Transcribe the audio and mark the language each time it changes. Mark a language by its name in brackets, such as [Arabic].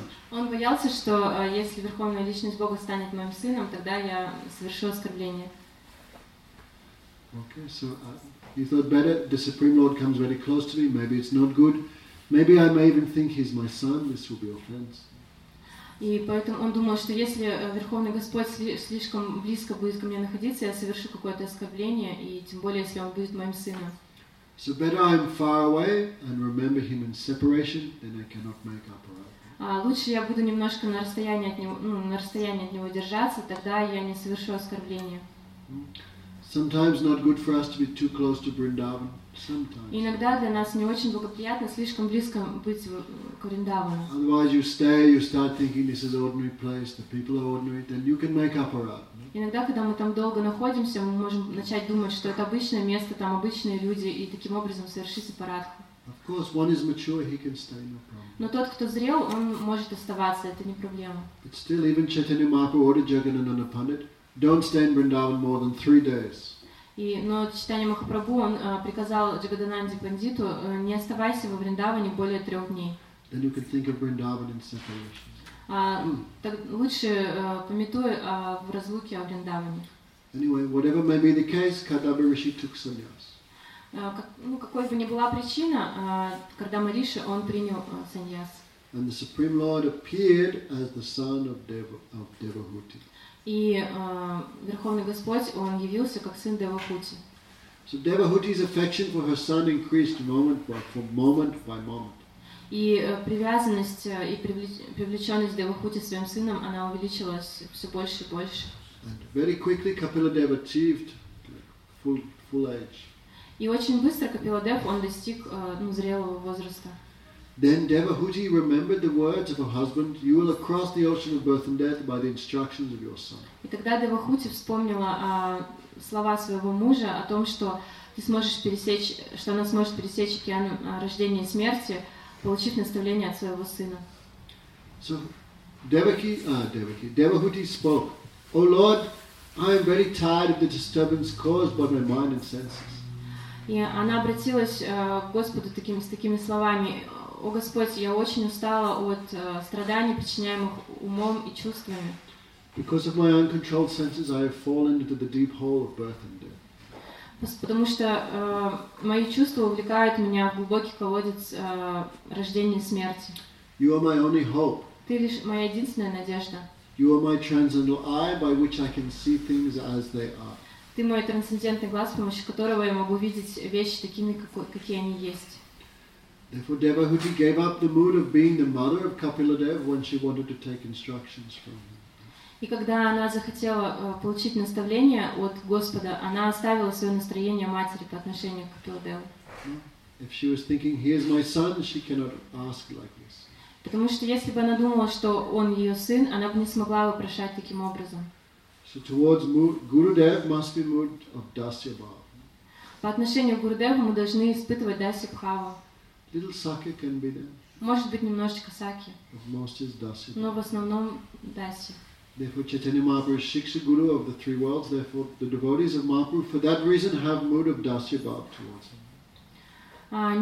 [Russian] Он боялся, что если верховная личность Бога станет моим сыном, тогда я совершу оскорбление. [English] Okay, so you thought better, the Supreme Lord comes very close to me, maybe it's not good. Maybe I may even think he's my son, this will be offense. [Russian] И поэтому он думал, что если Верховный Господь слишком близко будет ко мне находиться, я совершу какое-то оскорбление, и тем более, если он будет моим сыном. [English] So better I'm far away and remember him in separation, then I cannot make up a right. [Russian] Лучше я буду немножко на расстоянии от него держаться, тогда я не совершу оскорбление. [English] Sometimes not good for us to be too close to Vrindavan. Sometimes. [Russian] Иногда для нас не очень благоприятно слишком близко быть к Вриндавану. [English] Otherwise you stay, you start thinking this is an ordinary place, the people are ordinary, then you can make up a route. No? [Russian] Иногда, когда мы там долго находимся, мы можем начать думать, что это обычное место, там обычные люди, и таким образом совершить сепаратху. [English] Of course, one is mature, he can stay, no problem. [Russian] Но тот, кто зрел, он может оставаться, это не проблема. [English] But still, even Chaitanya Mahaprabhu ordered Jagannanda Pandit, don't stay in Vrindavan more than 3 days. [Russian] Но Чайтанья Махапрабху он приказал Джагадананде Пандиту не оставайся во Вриндаване более 3 дней. [English] Then you can think of Vrindavan in separation. [Russian] Так лучше памятуй в разлуке о Вриндаване. [English] Anyway, whatever may be the case, Kadamba Rishi took sannyas. [Russian] Какой бы ни была причина, Кардама Риши он принял саньяс. [English] And the Supreme Lord appeared as the son of Devahuti. [Russian] И Верховный Господь, он явился как сын Девахути. [English] So Devahuti's affection for her son increased moment by moment. [Russian] И привязанность и привлеченность Девахути своим сыном, она увеличилась все больше и больше. [English] And very quickly Kapiladev achieved full age. [Russian] И очень быстро Капиладев он достиг зрелого возраста. [English] Then Devahuti remembered the words of her husband, "You will cross the ocean of birth and death by the instructions of your son." [Russian] И тогда Девахути вспомнила слова своего мужа о том, что ты сможешь пересечь, что она сможет пересечь океан рождения и смерти, получив наставление от своего сына. [English] So Devahuti spoke, "O Lord, I am very tired of the disturbance caused by my mind and senses." [Russian] И она обратилась к Господу с такими словами. «О Господь, я очень устала от страданий, причиняемых умом и чувствами». [English] Because of my uncontrolled senses, I have fallen into the deep hole of birth and death. [Russian] Потому что мои чувства увлекают меня в глубокий колодец рождения и смерти. [English] You are my only hope. [Russian] Ты лишь моя единственная надежда. [English] You are my transcendental eye, by which I can see things as they are. [Russian] Ты мой трансцендентный глаз, с помощью которого я могу видеть вещи такими, какие они есть. [English] Therefore, Devahuti gave up the mood of being the mother of Kapiladev when she wanted to take instructions from him. [Russian] И когда она захотела получить наставление от Господа, она оставила свое настроение матери по отношению к Капиладеву. [English] If she was thinking, "He is my son," she cannot ask like this. [Russian] Потому что если бы она думала, что он ее сын, она бы не смогла вопрошать таким образом. [English] So towards Gurudev must be mood of Dasya Bhava. [Russian] По отношению к Гурудеву мы должны испытывать Дасья Бхава. [English] Little sake can be there. [Russian] Может быть немножечко саки. [English] But most is dasi. [Russian] Но в основном даси. [English] Therefore, Chaitanya Mahaprabhu is Shiksha Guru of the three worlds. Therefore, the devotees of Mahaprabhu, for that reason, have mood of dasi bhav towards him.